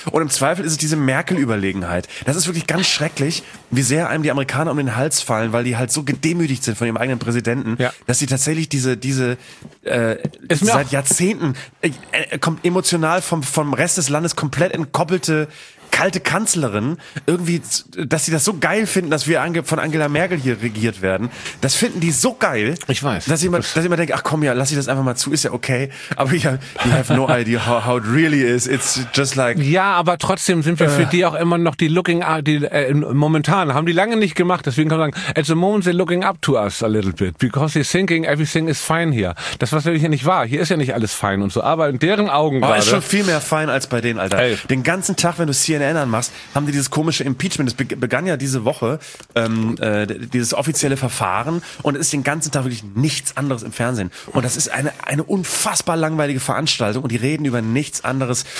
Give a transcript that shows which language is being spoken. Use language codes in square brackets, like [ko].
[de] Und im Zweifel ist es diese Merkel-Überlegenheit. Das ist wirklich ganz schrecklich, wie sehr einem die Amerikaner um den Hals fallen, weil die halt so gedemütigt sind von ihrem eigenen Präsidenten, dass sie tatsächlich diese seit Jahrzehnten, kommt emotional vom Rest des Landes komplett entkoppelte, kalte Kanzlerin, irgendwie, dass sie das so geil finden, dass wir von Angela Merkel hier regiert werden. Das finden die so geil. Ich weiß. Dass ich immer denke, ach komm, ja, lass ich das einfach mal zu, ist ja okay. Aber ja, [en] you have no idea how it really is. It's just like. [de] Ja, aber trotzdem sind wir für die auch immer noch die looking, momentan, haben die lange nicht gemacht. Deswegen kann man sagen, [en] at the moment they're looking up to us a little bit, because they're thinking everything is fine here. [de] Das, was natürlich nicht wahr. Hier ist ja nicht alles fein und so. Aber in deren Augen gerade. Ist schon viel mehr fein als bei denen, Alter. Ey. Den ganzen Tag, wenn du CNN erinnern machst, haben die dieses komische Impeachment, das begann ja diese Woche, dieses offizielle Verfahren, und es ist den ganzen Tag wirklich nichts anderes im Fernsehen. Und das ist eine unfassbar langweilige Veranstaltung, und die reden über nichts anderes.